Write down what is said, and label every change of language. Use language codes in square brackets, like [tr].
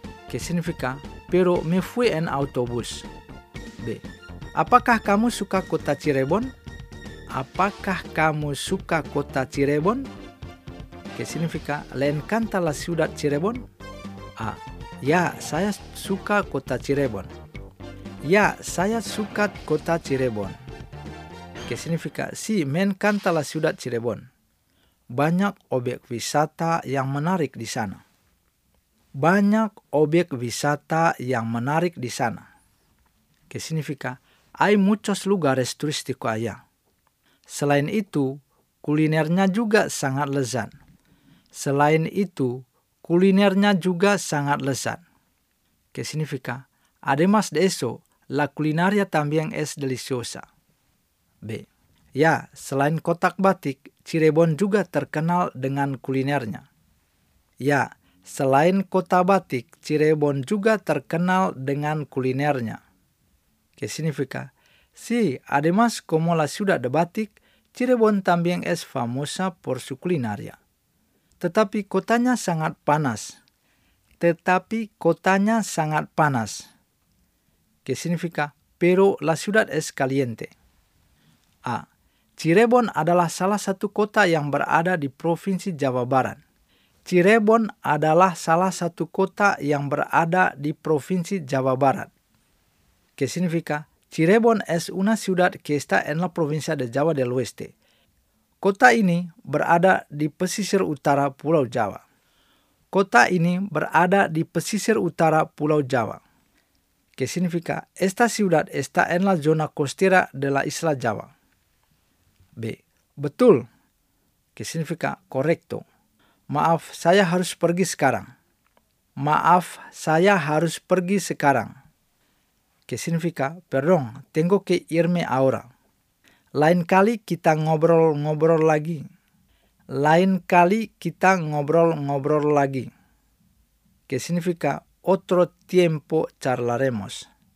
[es] Que significa pero me fui en autobús. B. [id] Apakah kamu suka kota Cirebon? Apakah kamu suka kota Cirebon? [es] Que significa le encanta la ciudad Cirebon? A. [id] Ya, saya suka kota Cirebon. Ya, saya suka kota Cirebon. [es] Que significa sí, me encanta la ciudad Cirebon. [id] Banyak objek wisata yang menarik di sana. Banyak objek wisata yang menarik di sana. [es] Que significa hay muchos lugares turísticos allá. [id] Selain itu, kulinernya juga sangat lezat. Selain itu, kulinernya juga sangat lezat. [es] Que significa además de eso, la culinaria también es deliciosa. B. [id] Ya, selain kotak batik, Cirebon juga terkenal dengan kulinernya. Ya, selain kota batik, Cirebon juga terkenal dengan kulinernya. [es] Que significa sí, además como la ciudad de batik, Cirebon también es famosa por su culinaria. [id] Tetapi kotanya sangat panas. Tetapi kotanya sangat panas. [es] Que significa pero la ciudad es caliente. A. [id] Cirebon adalah salah satu kota yang berada di Provinsi Jawa Barat. Cirebon adalah salah satu kota yang berada di Provinsi Jawa Barat. [es] Que significa Cirebon es una ciudad que está en la provincia de Jawa del Oeste. [id] Kota ini berada di pesisir utara Pulau Jawa. Kota ini berada di pesisir utara Pulau Jawa. [es] Que significa esta ciudad está en la zona costera de la isla Jawa. B. [id] Betul. [es] Que significa correcto. [id] Maaf, saya harus pergi sekarang. Maaf, saya harus pergi sekarang. [es] Que significa, perdón, tengo que irme ahora. [id] Lain kali kita ngobrol-ngobrol lagi. Lain kali kita ngobrol-ngobrol lagi. [es] Que significa, otro tiempo charlaremos.